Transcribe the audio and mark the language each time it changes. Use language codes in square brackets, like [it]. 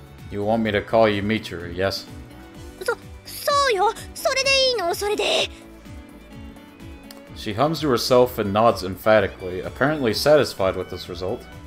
[en] You want me to call you Mitchell, yes? [ja] そうよ、それでいいの、それでいい。 [en] She hums to herself and nods emphatically, apparently satisfied with this result.